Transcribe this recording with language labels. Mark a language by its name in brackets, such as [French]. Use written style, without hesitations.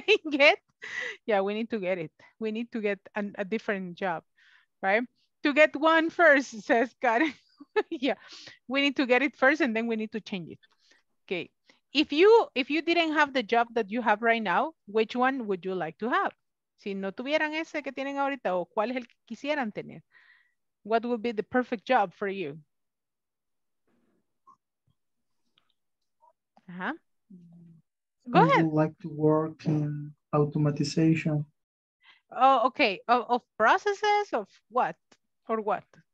[English] get? Yeah, we need to get it. We need to get a different job, right? To get one first, says Karen. Yeah, we need to get it first and then we need to change it. Okay. If you didn't have the job that you have right now, which one would you like to have? [Spanish] Si no tuvieran ese que tienen ahorita, o cuál es el que quisieran tener? [English] What would be the perfect job for you? Uh-huh. Go ahead. I would like to work in automatization. Oh, okay. Of processes of what? Or what?